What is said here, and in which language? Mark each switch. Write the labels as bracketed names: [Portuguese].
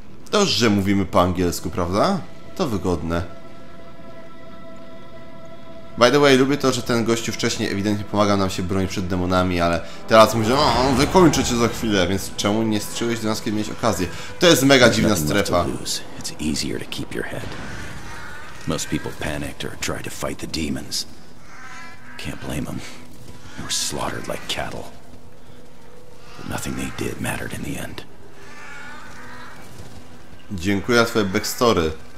[Polish] Dobrze, że mówimy po angielsku, prawda? To wygodne. [English] By the way, [Polish] lubię to, że ten gościu wcześniej ewidentnie pomagał nam się bronić przed demonami, ale teraz mówi, on wykończy cię za chwilę, więc czemu nie strzyłeś do nas, kiedy miałeś okazję? To jest mega dziwna strefa. [English] It's easier to keep your head. Most people panicked or tried to fight the demons. Can't blame them. They were slaughtered like cattle. Nothing they did mattered in the end. [Polish] Dziękuję za twoje backstory.